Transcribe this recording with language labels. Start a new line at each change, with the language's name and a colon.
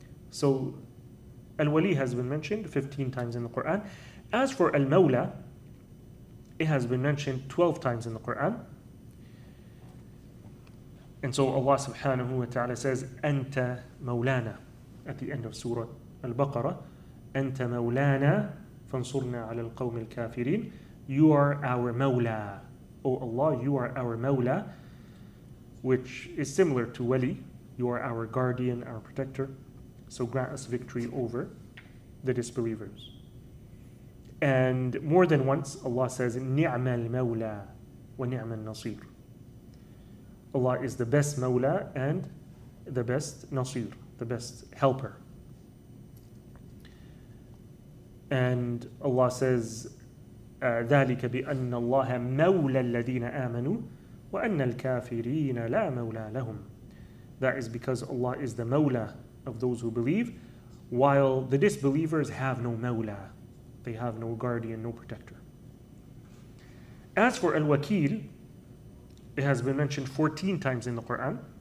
English: So al-wali has been mentioned 15 times in the Quran. As for al-mawla, it has been mentioned 12 times in the Quran. And so Allah subhanahu wa ta'ala says,
Arabic: أَنْتَ مَوْلَانَا,
English: at the end of Surah Al-Baqarah,
Arabic: أنت مولانا فانصرنا على القوم الكافرين.
English: You are our Mawla. O Allah, you are our Mawla. Which is similar to Wali. You are our guardian, our protector. So grant us victory over the disbelievers. And more than once, Allah says, Ni'ma al-Mawla wa ni'ma al-Nasir. Allah is the best Mawla and the best Nasir, the best helper. And Allah says,
Arabic: ذَلِكَ بِأَنَّ اللَّهَ مَوْلَى الَّذِينَ آمَنُوا وَأَنَّ الْكَافِرِينَ لَا مَوْلَى لَهُمْ.
English: That is because Allah is the Mawla of those who believe, while the disbelievers have no Mawla. They have no guardian, no protector. As for Al-Wakil, it has been mentioned 14 times in the Quran.